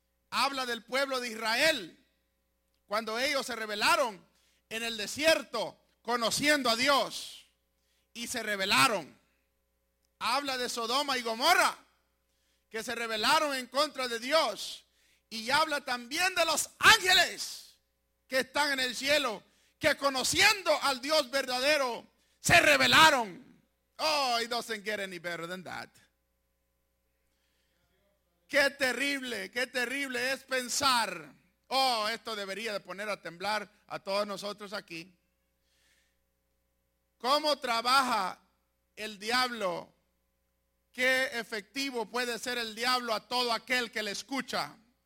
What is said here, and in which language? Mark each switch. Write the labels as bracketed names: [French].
[Spanish] Habla del pueblo de Israel cuando ellos se rebelaron en el desierto conociendo a Dios y se rebelaron. Habla de Sodoma y Gomorra que se rebelaron en contra de Dios. Y habla también de los ángeles que están en el cielo, que conociendo al Dios verdadero se rebelaron. [English] Oh, it doesn't get any better than that. [Spanish] Qué terrible es pensar, oh, esto debería de poner a temblar a todos nosotros aquí. ¿Cómo trabaja el diablo? ¿Qué efectivo puede ser el diablo a todo aquel que le escucha?